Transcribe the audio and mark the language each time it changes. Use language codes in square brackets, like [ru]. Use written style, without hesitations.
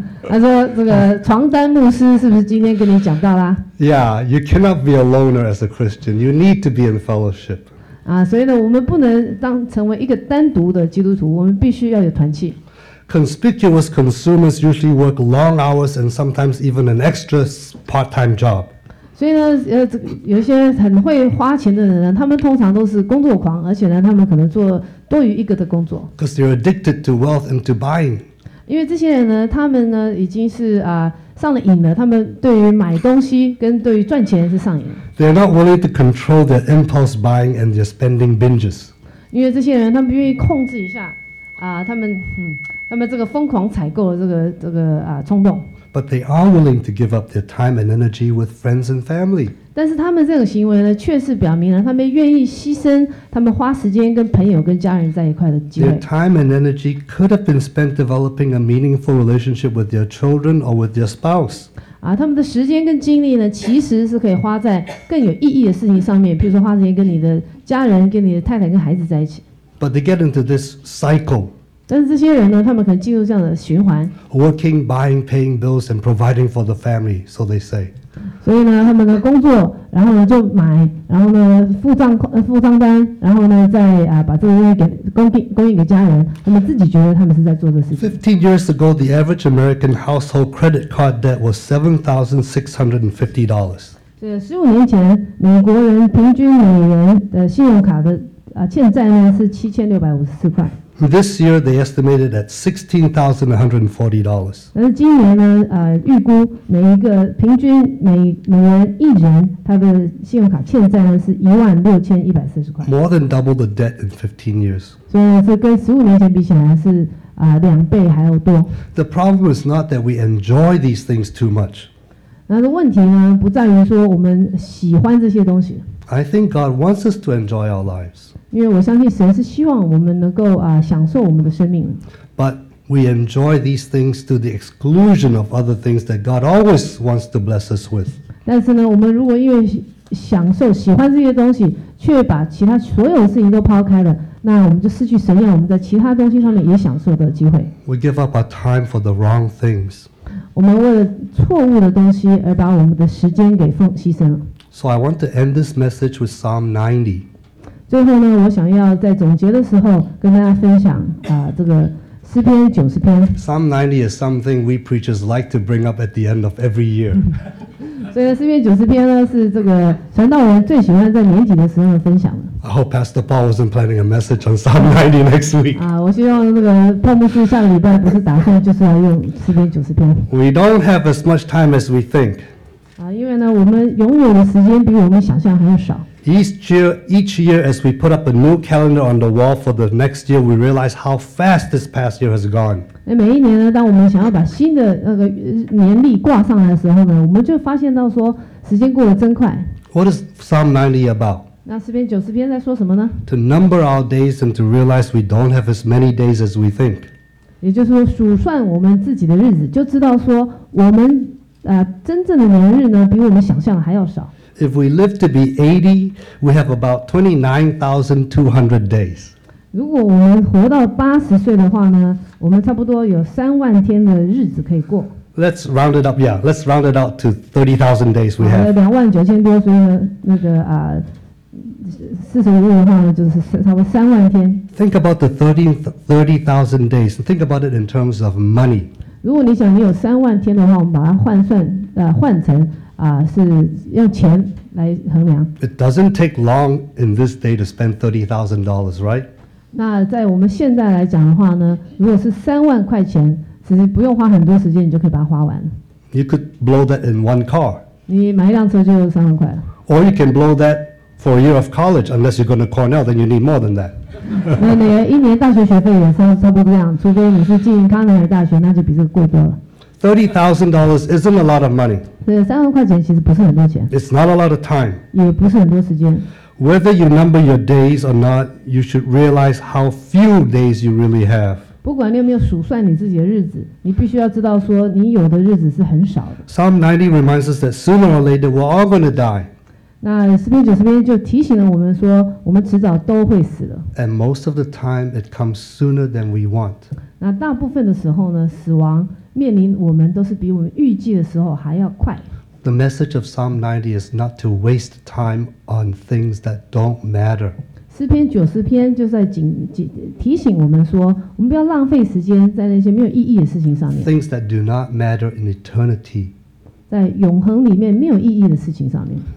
[zh] 他说这个床单牧师是不是今天跟你讲到啦 [en] ？Yeah, you cannot be a loner as a Christian. You need to be in fellowship. [zh] 所以呢，我们不能成为一个单独的基督徒，我们必须要有团契。 [en] Conspicuous consumers usually work long hours and sometimes even an extra part-time job. [zh] 所以呢，有些很会花钱的人，他们通常都是工作狂，而且呢，他们可能做多于一个的工作。 [en] Because they're addicted to wealth and to buying. [zh] 因为这些人呢，他们呢已经是上了瘾了。他们对于买东西跟对于赚钱是上瘾。 [en] They're not willing to control their impulse buying and their spending binges. [zh] 因为这些人，他们不愿意控制一下他们这个疯狂采购的这个冲动。 [en] But they are willing to give up their time and energy with friends and family. [zh] 但是他们这种行为呢，确实表明了他们愿意牺牲他们花时间跟朋友跟家人在一块的机会。 [en] Their time and energy could have been spent developing a meaningful relationship with their children or with their spouse. [zh] 他们的时间跟精力呢，其实是可以花在更有意义的事情上面，比如说花时间跟你的家人、跟你的太太、跟孩子在一起。 [en] But they get into this cycle. [zh] 但是这些人呢，他们可能进入这样的循环。 [en] Working, buying, paying bills, and providing for the family, so they say. [zh] 所以呢，他们的工作，然后呢就买，然后呢付账单，然后呢再把这些供应给家人。他们自己觉得他们是在做这事情。 [en] 15 years ago, the average American household credit card debt was $7,650. [zh] 这15年前，美国人平均每人的信用卡的欠债呢是7,654块。 [en] This year, they estimated at $16,140. [zh] 但是今年呢，预估每一个平均每年一人，他的信用卡欠债呢是16,140块。 [en] More than double the debt in 15 years. [zh] 所以这跟15年前比起来是两倍还要多。 [en] The problem is not that we enjoy these things too much. [zh] 的问题呢，不在于说我们喜欢这些东西。 [en] I think God wants us to enjoy our lives. [zh] 因为我相信神是希望我们能够啊享受我们的生命。 [en] But we enjoy these things to the exclusion of other things that God always wants to bless us with. [zh] 但是呢，我们如果因为享受喜欢这些东西，却把其他所有的事情都抛开了，那我们就失去神要我们在其他东西上面也享受的机会。 [en] We give up our time for the wrong things. [zh] 我们为了错误的东西而把我们的时间给牺牲了。 [en] So I want to end this message with Psalm 90. [zh] 最后呢，我想要在总结的时候跟大家分享啊，这个诗篇九十篇。 [en] Psalm 90 is something we preachers like to bring up at the end of every year. [zh] 所以呢，诗篇九十篇呢是这个传道人最喜欢在年底的时候分享的。 [en] I hope Pastor Paul wasn't planning a message on Psalm 90 next week. [zh] 啊，我希望那个泡沫师下个礼拜不是打算就是要用诗篇九十篇。 [en] We don't have as much time as we think. [zh] 因为呢，我们拥有的时间比我们想象还要少。 [en] Each year, as we put up a new calendar on the wall for the next year, we realize how fast this past year has gone. [zh] 每一年呢，当我们想要把新的那个年历挂上来的时候呢，我们就发现到说，时间过得真快。 [en] What is Psalm 90 about? [zh] 那诗篇九十篇在说什么呢 [en] ？To number our days and to realize we don't have as many days as we think. [zh] 也就是说，数算我们自己的日子，就知道说我们。真正的年日呢，比我们想象的还要少。 [en] If we live to be 80, we have about 29,200 days. [zh] 如果我们活到80岁的话呢，我们差不多有30,000天的日子可以过。 [en] Let's round it up, yeah. Let's round it out to 30,000 days we have. [zh] 29,000多，所以呢，那个45的话呢，就是差不多30,000天。 [en] Think about the 30,000 days. Think about it in terms of money. [zh] 如果你想你有30,000天的话，我们把它换算，换成是用钱来衡量。 [en] It doesn't take long in this day to spend $30,000, right? [zh] 那在我们现在来讲的话呢，如果是30,000块钱，其实不用花很多时间，你就可以把它花完。 [en] You could blow that in one car. [zh] 你买一辆车就30,000块了。 [en] Or you can blow that for a year of college, unless you're going to Cornell, then you need more than that. [zh] 那你一年大学学费也差不多这样，除非你是进康奈尔大学，那就比这个贵多了。 [en] $30,000 isn't a lot of money. [zh] 对，30,000块钱其实不是很多钱。 [en] It's not a lot of time. [zh] 也不是很多时间。 [en] Whether you number your days or not, you should realize how few days you really have. [zh] 不管你有没有数算你自己的日子，你必须要知道说你有的日子是很少的。 [en] Psalm 90 reminds us that sooner or later we're all going to die. [zh] 那诗篇九十篇就提醒了我们说，我们迟早都会死的。 [en] And most of the time, it comes sooner than we want. [zh] 那大部分的时候呢，死亡面临我们都是比我们预计的时候还要快。 [en] The message of Psalm 90 is not to waste time on things that don't matter. [zh] 诗篇九十篇就在提醒我们说，我们不要浪费时间在那些没有意义的事情上面。 [en] Things that do not matter in eternity. [zh] 在永恒里面没有意义的事情上面。